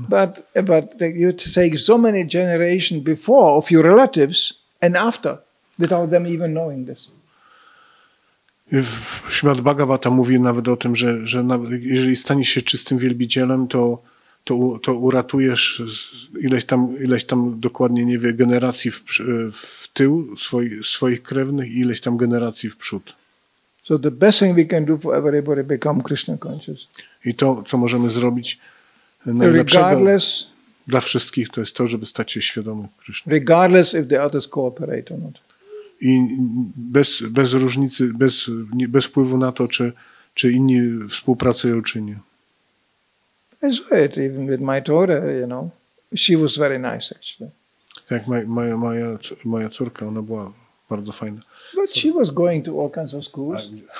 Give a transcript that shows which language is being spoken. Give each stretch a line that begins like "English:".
English: But you take so many generations before of your relatives and after, without them even knowing this.
Polish: Śmiad Bhagavata mówi nawet o tym, że nawet, jeżeli stanie się czystym wielbicielem, to uratujesz ileś tam dokładnie nie wie generacji w tył swoich krewnych i ileś tam generacji w przód.
English: So the best thing we can do for everybody become Krishna conscious.
Polish: I to, co możemy zrobić najlepszego dla wszystkich, to jest to, żeby stać się świadomym Krishna.
English: Regardless if the others cooperate or not.
Polish: i bez różnicy, bez wpływu na to, czy inni współpracują, czy nie.
English: I enjoy it even with my daughter, you know. She was very nice, actually.
Polish: Tak, moja córka, ona była bardzo fajna.
English: But she was going to all kinds of schools.